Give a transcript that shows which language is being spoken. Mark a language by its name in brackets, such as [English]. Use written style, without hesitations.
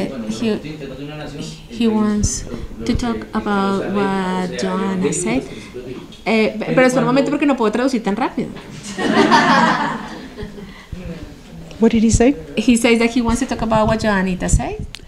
[English] He wants to talk about what Joanna said. [Spanish] Pero espera un momento porque no puedo traducir tan rápido. [English] What did he say? He says that he wants to talk about what Joanita said.